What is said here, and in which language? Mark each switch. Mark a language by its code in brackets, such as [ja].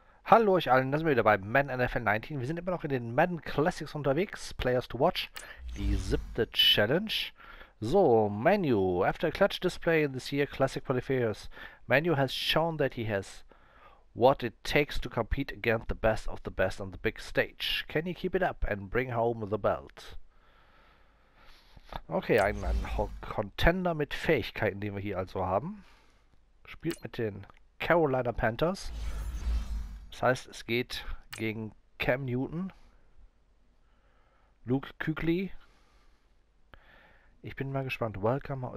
[de] Hallo euch allen, da sind wir wieder bei Madden NFL 19. Wir sind immer noch in den Madden Classics unterwegs. Players to Watch, die siebte Challenge. [en] So, Manu, after a clutch display in this year Classic Qualifiers, Manu has shown that he has what it takes to compete against the best of the best on the big stage. Can he keep it up and bring home the belt? [de] Okay, ein Contender mit Fähigkeiten, den wir hier also haben. Spielt mit den Carolina Panthers. Das heißt, es geht gegen Cam Newton, Luke Kuechly. Ich bin mal gespannt. [en] Welcome.